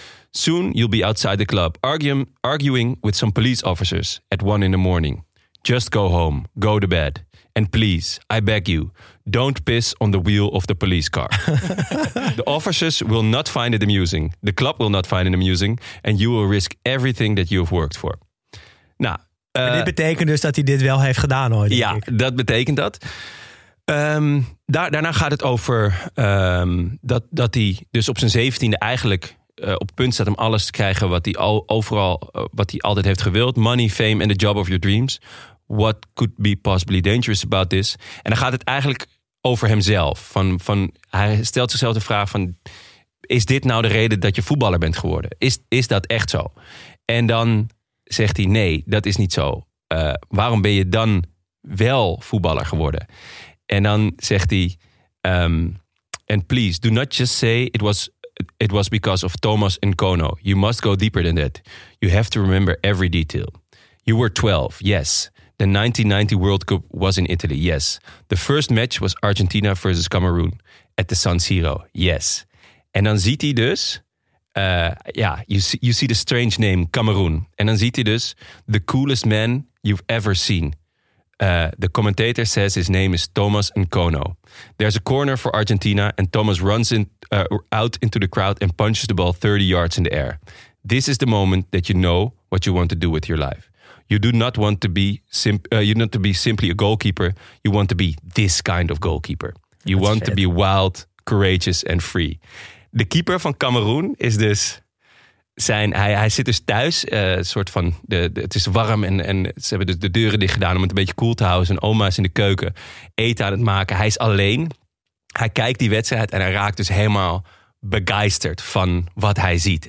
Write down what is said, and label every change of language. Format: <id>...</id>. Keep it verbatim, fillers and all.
<en>Soon you'll be outside the club, arguing, arguing with some police officers at one in the morning. Just go home, go to bed. And please, I beg you, don't piss on the wheel of the police car. The officers will not find it amusing. The club will not find it amusing. And you will risk everything that you have worked for.</en> <nl>Nou... Uh, dit betekent dus dat hij dit wel heeft gedaan ooit. Ja, ik. dat betekent dat. Um, daar, daarna gaat het over um, dat, dat hij dus op zijn zeventiende eigenlijk uh, op het punt staat om alles te krijgen wat hij al, overal uh, wat hij altijd heeft gewild.</nl> <en>Money, fame and the job of your dreams. What could be possibly dangerous about this?</en> <nl>En dan gaat het eigenlijk over hemzelf. Van, van, hij stelt zichzelf de vraag van... Is dit nou de reden dat je voetballer bent geworden? Is, is dat echt zo? En dan... zegt hij, nee, dat is niet zo. Uh, waarom ben je dan wel voetballer geworden? En dan zegt hij...</nl> <en>Um, and please, do not just say it was, it was because of Thomas Nkono. You must go deeper than that. You have to remember every detail. You were twelve, yes. The nineteen ninety World Cup was in Italy, yes. The first match was Argentina versus Cameroon at the San Siro, yes.</en> <nl>En dan ziet hij dus...</nl> <en>Uh, yeah, you see, you see the strange name, Cameroon.</en> <nl>En dan ziet hij dus,</nl> <en>the coolest man you've ever seen. Uh, the commentator says his name is Thomas Nkono. There's a corner for Argentina and Thomas runs in, uh, out into the crowd and punches the ball thirty yards in the air. This is the moment that you know what you want to do with your life. You do not want to be, simp- uh, you not to be simply a goalkeeper. You want to be this kind of goalkeeper. You That's want vet. to be wild, courageous and free.</en> <nl>De keeper van Cameroen is dus zijn... Hij, hij zit dus thuis, uh, soort van... De, de, het is warm en, en ze hebben dus de deuren dicht gedaan... om het een beetje koel te houden. Zijn oma is in de keuken eten aan het maken. Hij is alleen. Hij kijkt die wedstrijd en hij raakt dus helemaal begeisterd van wat hij ziet.</nl>